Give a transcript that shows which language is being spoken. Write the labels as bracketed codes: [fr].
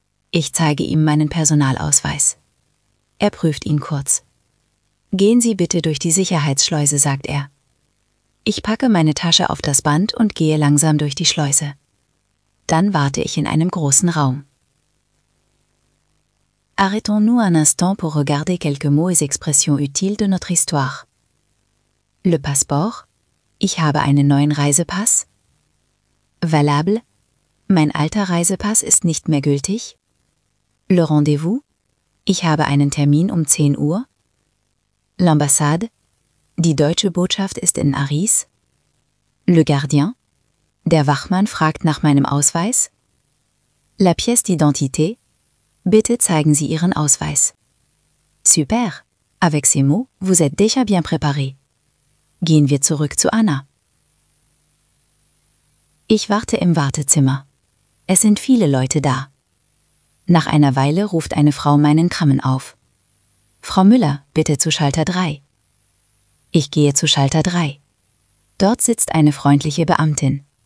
[de] Ich zeige ihm meinen Personalausweis. Er prüft ihn kurz. Gehen Sie bitte durch die Sicherheitsschleuse, sagt er. Ich packe meine Tasche auf das Band und gehe langsam durch die Schleuse. Dann warte ich in einem großen Raum. [fr] Arrêtons-nous un instant pour regarder quelques mots et expressions utiles de notre histoire. Le passeport. [de] Ich habe einen neuen Reisepass. Valable. Mein alter Reisepass ist nicht mehr gültig. Le rendez-vous. Ich habe einen Termin um 10 Uhr. L'ambassade. Die deutsche Botschaft ist in Paris. Le gardien. Der Wachmann fragt nach meinem Ausweis. La pièce d'identité. Bitte zeigen Sie Ihren Ausweis. Super. [fr] Avec ces mots, vous êtes déjà bien préparé. [de] Gehen wir zurück zu Anna. Ich warte im Wartezimmer. Es sind viele Leute da. Nach einer Weile ruft eine Frau meinen Kramen auf. Frau Müller, bitte zu Schalter 3. Ich gehe zu Schalter 3. Dort sitzt eine freundliche Beamtin.